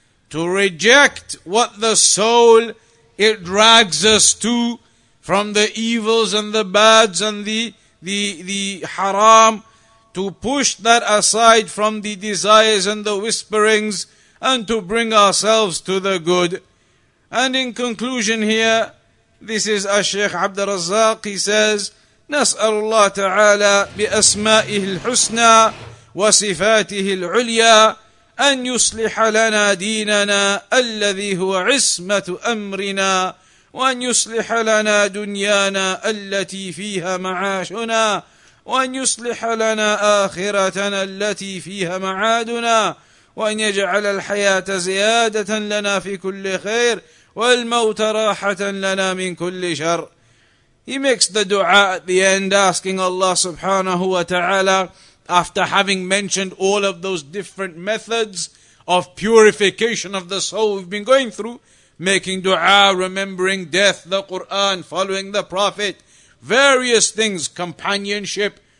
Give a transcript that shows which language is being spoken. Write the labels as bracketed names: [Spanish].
[English] To reject what the soul, it drags us to, from the evils and the bads and the haram, to push that aside from the desires and the whisperings, and to bring ourselves to the good. And in conclusion here, this is Ash-Shaykh Abd al-Razzaq, he says, [Arabic] نَسْأَلُ اللَّهَ تَعَالَى بِأَسْمَائِهِ الْحُسْنَى وَصِفَاتِهِ الْعُلْيَى أَنْ يُصْلِحَ لَنَا دِينَنَا الَّذِي هُوَ عِصْمَةُ أَمْرِنَا وأن يصلح لنا دنيانا التي فيها معاشنا وأن يصلح لنا آخرتنا التي فيها معادنا وأن يجعل الحياة زيادة لنا في كل خير والموت راحة لنا من كل شر. [English] He makes the dua at the end, asking Allah subhanahu wa ta'ala, after having mentioned all of those different methods of purification of the soul we've been going through, making dua, remembering death, the Qur'an, following the Prophet, various things, companionship.